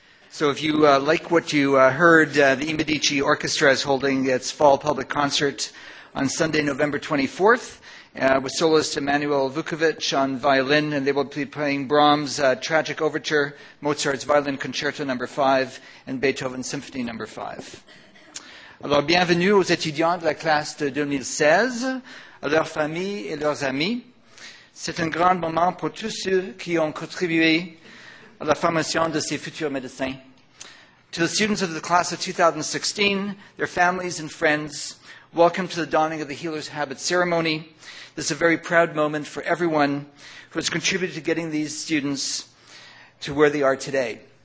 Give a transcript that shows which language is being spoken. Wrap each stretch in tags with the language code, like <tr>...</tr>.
<en>So if you like what you heard, the I Medici Orchestra is holding its fall public concert on Sunday, November 24th, with soloist Emmanuel Vukovic on violin, and they will be playing Brahms' Tragic Overture, Mozart's Violin Concerto No. 5, and Beethoven's Symphony No. 5.</en> <fr>Alors, bienvenue aux étudiants de la classe de 2016, à leurs familles et leurs amis. C'est un grand moment pour tous ceux qui ont contribué à la formation de ces futurs médecins.</fr> <en>To the students of the class of 2016, their families and friends, welcome to the donning of the Healer's Habit ceremony. This is a very proud moment for everyone who has contributed to getting these students to where they are today.</en>